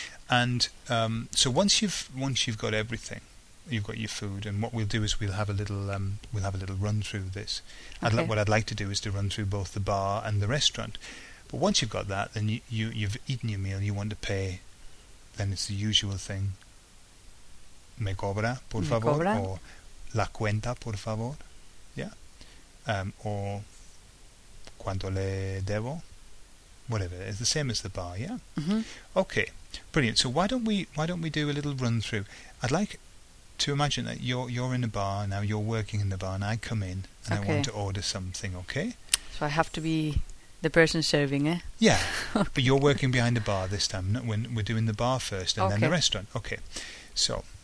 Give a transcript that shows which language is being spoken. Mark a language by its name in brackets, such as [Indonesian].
[English] And so once you've got everything, you've got your food, and what we'll do is we'll have a little run through this. What I'd like to do is to run through both the bar and the restaurant. But once you've got that, then you've eaten your meal, you want to pay, then it's the usual thing. [Spanish] Me cobra, por favor, cobra. Or la cuenta, por favor, or cuánto le debo, whatever. [English] It's the same as the bar, Okay, brilliant. So why don't we do a little run through? I'd like to imagine that you're in a bar now. You're working in the bar, and I come in and I want to order something. Okay. So I have to be the person serving, eh? Yeah, but you're working behind the bar this time. When we're doing the bar first, and then the restaurant. Okay, so.